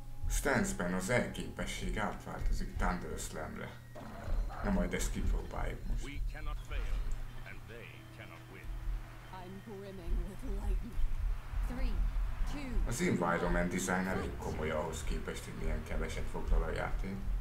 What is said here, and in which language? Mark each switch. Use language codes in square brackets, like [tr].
[hu] Stance-ben az elképesség átváltozik Thunder Slam-re. Na majd ezt kipróbáljuk most. [en] We cannot fail, and they cannot win. I'm brimming with lightning. Three, two, [hu] az environment design elég komoly ahhoz képest, hogy milyen keveset foglal a játék.